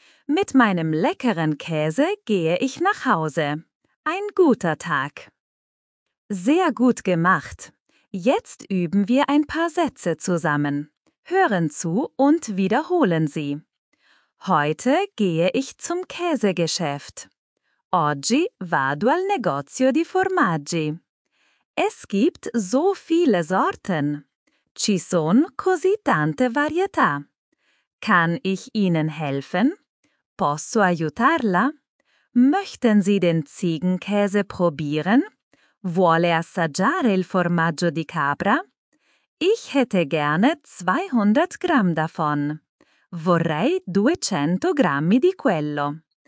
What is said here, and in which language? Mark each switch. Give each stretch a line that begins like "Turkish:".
German: Mit meinem leckeren Käse gehe ich nach Hause. Ein guter Tag. Sehr gut gemacht. Jetzt üben wir ein paar Sätze zusammen. Hören zu und wiederholen Sie. Heute gehe ich zum Käsegeschäft.
Italian: Oggi vado al negozio di formaggi.
German: Es gibt so viele Sorten.
Italian: Ci sono così tante varietà.
German: Kann ich Ihnen helfen?
Italian: Posso aiutarla?
German: Möchten Sie den Ziegenkäse probieren?
Italian: Vuole assaggiare il formaggio di capra?
German: Ich hätte gerne 200 Gramm davon.
Italian: Vorrei 200 Grammi di quello.